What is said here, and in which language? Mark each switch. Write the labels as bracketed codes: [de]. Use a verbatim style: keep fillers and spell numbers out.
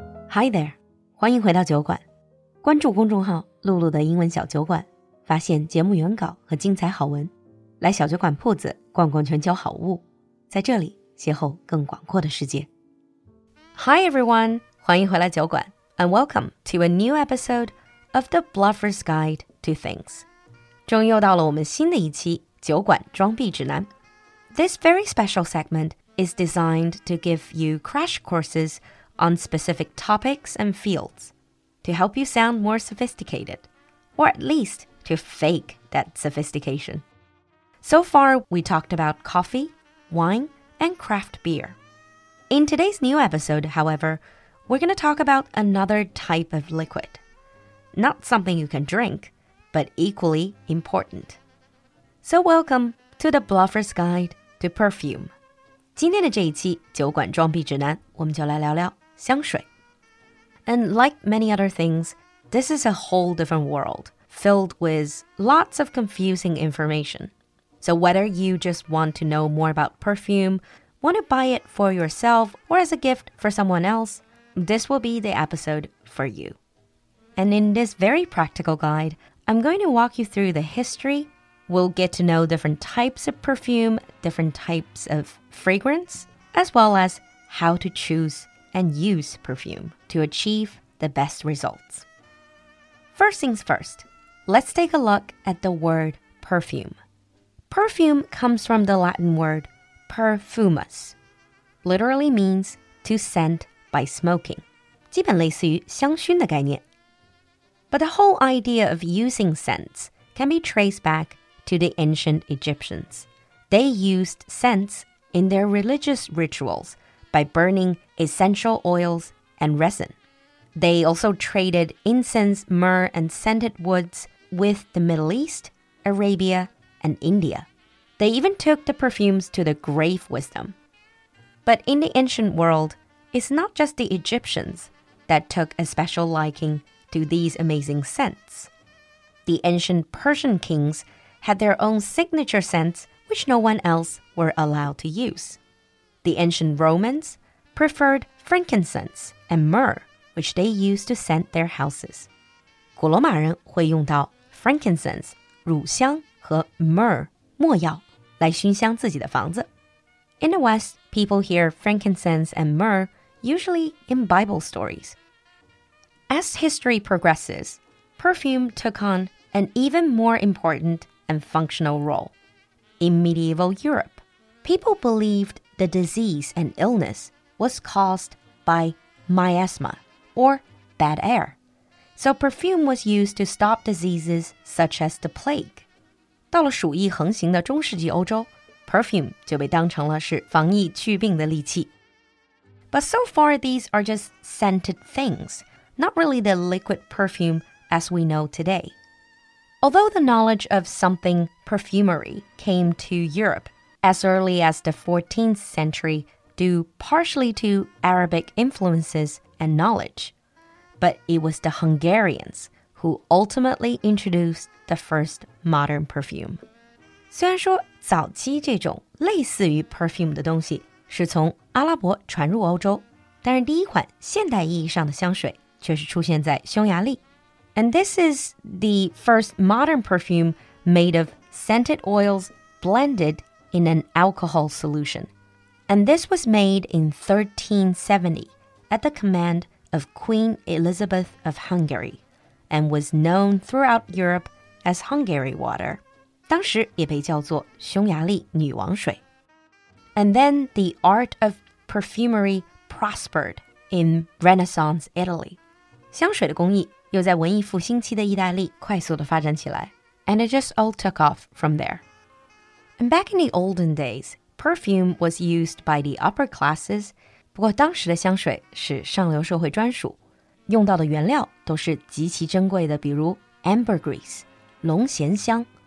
[en] Hi there， [zh] 欢迎回到酒馆，关注公众号露露的英文小酒馆，发现节目原稿和精彩好文，来小酒馆铺子逛逛全球好物，在这里邂逅更广阔的世界。 [en] Hi everyone， [zh] 欢迎回来酒馆 [en] and welcome to a new episode of The Bluffer's Guide to Things。 [zh] 终于又到了我们新的一期酒馆装逼指南。 [en] This very special segment is designed to give you crash courses on specific topics and fields to help you sound more sophisticated, or at least to fake that sophistication. So far, we talked about coffee, wine, and craft beer. In today's new episode, however, we're going to talk about another type of liquid. Not something you can drink, but equally important. So welcome to the Bluffer's Guide to Perfume. [zh] 今天的这一期酒馆装逼指南，我们就来聊聊香水。 [en] And like many other things, this is a whole different world filled with lots of confusing information. So whether you just want to know more about perfume, want to buy it for yourself or as a gift for someone else, this will be the episode for you. And in this very practical guide, I'm going to walk you through the history. We'll get to know different types of perfume, different types of fragrance, as well as how to choose and use perfume to achieve the best results. First things first, let's take a look at the word perfume. Perfume comes from the Latin word perfumus, literally means to scent by smoking. [zh] 基本类似于香薰的概念。 [en] But the whole idea of using scents can be traced back to the ancient Egyptians. They used scents in their religious rituals by burning essential oils and resin. They also traded incense, myrrh, and scented woods with the Middle East, Arabia, and India. They even took the perfumes to the grave with them. But in the ancient world, it's not just the Egyptians that took a special liking to these amazing scents. The ancient Persian kings had their own signature scents which no one else were allowed to use. The ancient Romans preferred frankincense and myrrh, which they used to scent their houses. [zh] 古罗马人会用到 frankincense, 乳香和 myrrh, 没药来熏香自己的房子。 [en] In the West, people hear frankincense and myrrh usually in Bible stories. As history progresses, perfume took on an even more important and functional role. In medieval Europe, people believed the disease and illness was caused by miasma, or bad air. So perfume was used to stop diseases such as the plague. [zh] 到了鼠疫横行的中世纪欧洲 perfume 就被当成了是防疫祛病的利器。 [en] But so far, these are just scented things, not really the liquid perfume as we know today. Although the knowledge of something perfumery came to Europe as early as the fourteenth century due partially to Arabic influences and knowledge, but it was the Hungarians who ultimately introduced the first modern perfume. [zh] 虽然说早期这种类似于 perfume 的东西是从阿拉伯传入欧洲，但是第一款现代意义上的香水却是出现在匈牙利。 [en] And this is the first modern perfume made of scented oils blended in an alcohol solution. And this was made in thirteen seventy at the command of Queen Elizabeth of Hungary and was known throughout Europe as Hungary water. [zh] 当时也被叫做匈牙利女王水。 [en] And then the art of perfumery prospered in Renaissance Italy. [zh] 香水的工艺又在文艺复兴期的意大利快速地发展起来 [en] and it just all took off from there. And back in the olden days, perfume was used by the upper classes, [zh] 不过当时的香水是上流社会专属，用到的原料都是极其珍贵的，比如 ambergris, 龙涎香。